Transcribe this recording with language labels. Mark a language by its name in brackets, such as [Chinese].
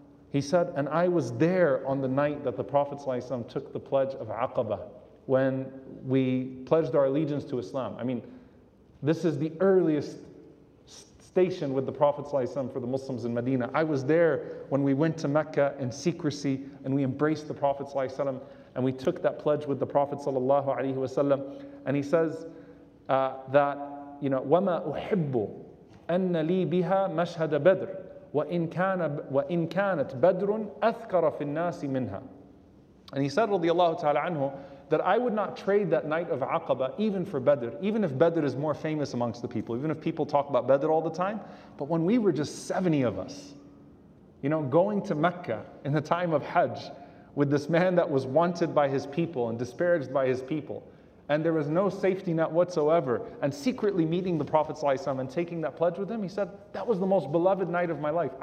[English] He said, and I was there on the night that the Prophet ﷺ took the pledge of Aqaba, when we pledged our allegiance to Islam. I mean, this is the earliest station with the Prophet ﷺ for the Muslims in Medina. I was there when we went to Mecca in secrecy and we embraced the Prophet ﷺ and we took that pledge with the Prophet ﷺ. And he says that, you know, [Arabic] وَمَا أُحِبُّ أَنَّ لِي بِهَا مَشْهَدَ بَدْرٍ وَإِنْ كَانَتْ بَدْرٌ أَثْكَرَ فِي النَّاسِ مِنْهَا. [English] And he said, radiallahu ta'ala anhu, that I would not trade that night of Aqaba even for Badr, even if Badr is more famous amongst the people, even if people talk about Badr all the time. But when we were just 70 of us, you know, going to Mecca in the time of Hajj with this man that was wanted by his people and disparaged by his people, and there was no safety net whatsoever, and secretly meeting the Prophet ﷺ and taking that pledge with him, he said, that was the most beloved night of my life.